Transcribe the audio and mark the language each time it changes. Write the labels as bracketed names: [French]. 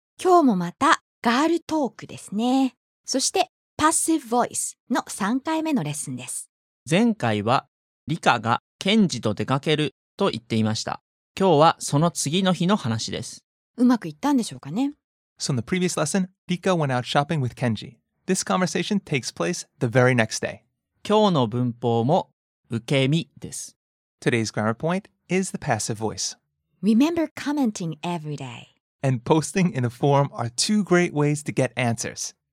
[Japanese] 今日もまたガールトークですね。そして Passive Voice の3回目のレッスンです。前回はリカがケンジと出かけると言っていました。今日はその次の日の話です。うまくいったんでしょうかね。 [English] So in the previous lesson, Rika went out shopping with Kenji. This conversation takes place the very next day. [Japanese] 今日の文法も受け身です。 [English] Today's grammar point is the passive voice. Remember commenting every day. And posting in the forum are two great ways to get answers.